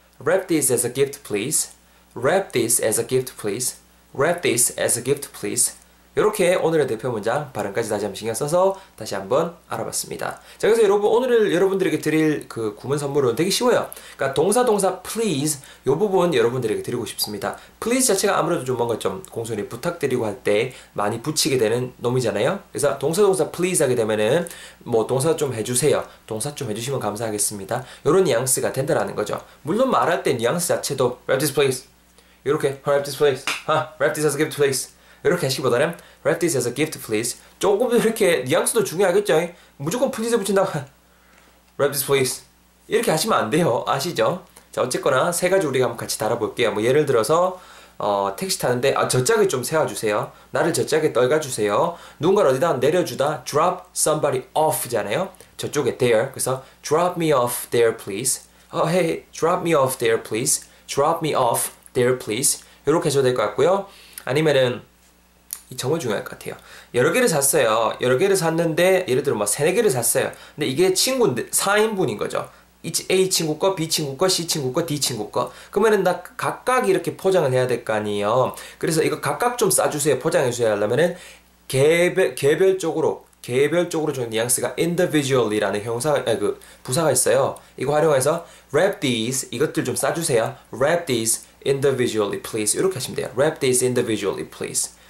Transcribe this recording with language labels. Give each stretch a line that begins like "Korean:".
English: Wrap this as a gift, please. Wrap this as a gift, please. Wrap this as a gift, please.
Korean: 이렇게 오늘의 대표 문장 발음까지 다시 한번 신경 써서 다시 한번 알아봤습니다. 자, 그래서 여러분 오늘 여러분들에게 드릴 그 구문 선물은 되게 쉬워요. 그러니까 동사 please 요 부분 여러분들에게 드리고 싶습니다. please 자체가 아무래도 좀 뭔가 좀 공손히 부탁드리고 할때 많이 붙이게 되는 놈이잖아요. 그래서 동사 please 하게 되면은 뭐 동사 좀 해주세요. 동사 좀 해주시면 감사하겠습니다. 요런 뉘앙스가 된다라는 거죠. 물론 말할 때 뉘앙스 자체도
English: wrap this please
Korean: 이렇게
English: wrap this please wrap this as a gift please
Korean: 이렇게 하시기보다는
English: wrap this as a gift, please.
Korean: 조금 더 이렇게 뉘앙스도 중요하겠죠? 무조건
English: please
Korean: 붙인다고
English: wrap this, please.
Korean: 이렇게 하시면 안 돼요. 아시죠? 자, 어쨌거나 세 가지 우리가 한번 같이 달아볼게요. 뭐 예를 들어서 택시 타는데 아, 젖자게 좀 세워주세요. 나를 젖자게 떨궈주세요. 누군가를 어디다 내려주다
English: drop somebody off
Korean: 잖아요. 저쪽에 there. 그래서
English: drop me off there, please. Hey, drop me off there, please. Drop me off there, please.
Korean: 이렇게 하셔도 될것 같고요. 아니면은 이 정말 중요할 것 같아요. 여러 개를 샀어요. 여러 개를 샀는데 예를 들어 막 세네 개를 샀어요. 근데 이게 친구인데 4인분인 거죠. A 친구 거, B 친구 거, C 친구 거, D 친구 거. 그러면은 나 각각 이렇게 포장을 해야 될거 아니에요. 그래서 이거 각각 좀 싸주세요. 포장해 주세요. 하려면은 개별적으로 좀 뉘앙스가 individually라는 부사가 있어요. 이거 활용해서
English: wrap these
Korean: 이것들 좀 싸주세요.
English: wrap these individually please
Korean: 이렇게 하시면 돼요.
English: wrap these individually please.